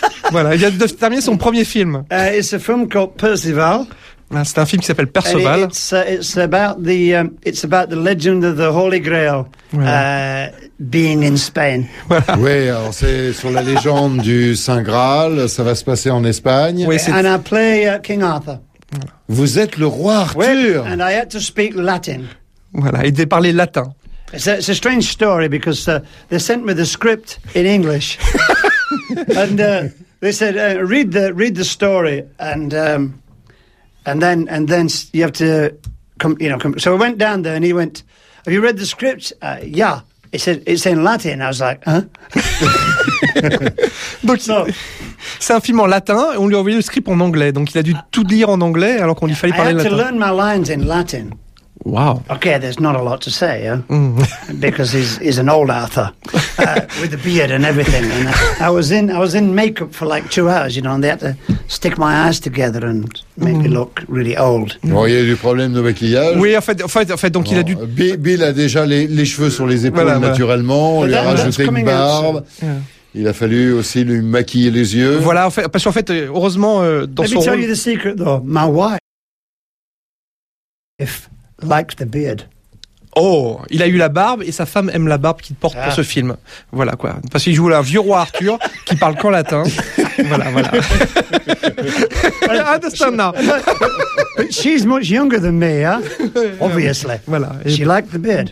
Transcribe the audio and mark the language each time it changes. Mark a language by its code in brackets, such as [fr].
[fr] Voilà, il vient de terminer son premier film. [en] It's a film called Percival. [fr] C'est un film qui s'appelle Perceval. [en] It's about the legend of the Holy Grail being in Spain. [fr] Voilà. Oui, alors c'est sur la légende du Saint Graal, ça va se passer en Espagne. Oui, [en] and I play King Arthur. [fr] Vous êtes le roi Arthur. [en] And I had to speak Latin. [fr] Voilà, il devait parler latin. [en] It's a strange story because they sent me the script in English. And they said, read the story and... And then you have to come, you know. Come. So I went down there, and he went, "Have you read the script?" Yeah. He said, "It's in Latin." I was like, "Huh?" [fr] Donc, so, c'est un film en latin. Et on lui a envoyé le script en anglais, donc il a dû tout lire en anglais alors qu'on lui fallait parler latin. [en] I had to learn my lines in Latin. Wow. Okay, there's not a lot to say, because he's an old Arthur with a beard and everything. And I was in makeup for like 2 hours, you know, and they had to stick my eyes together and make me look really old. [fr] Bon, il y a du problème de maquillage. Oui, en fait, donc bon, il a dû. Bill a déjà les cheveux sur les épaules naturellement. On lui a rajouté une barbe. Yeah. Il a fallu aussi lui maquiller les yeux. Voilà, en fait, parce qu'en fait, heureusement, dans [en] Let [fr] son [en] Let me tell you the secret, though. My wife likes the beard. [fr] Oh, il a eu la barbe et sa femme aime la barbe qu'il porte pour ce film. Voilà quoi. Parce qu'il joue un vieux roi Arthur qui parle qu'en latin. Voilà, voilà. [en] I understand now. But she's much younger than me, huh? Obviously. [fr] Voilà. [en] She liked the beard.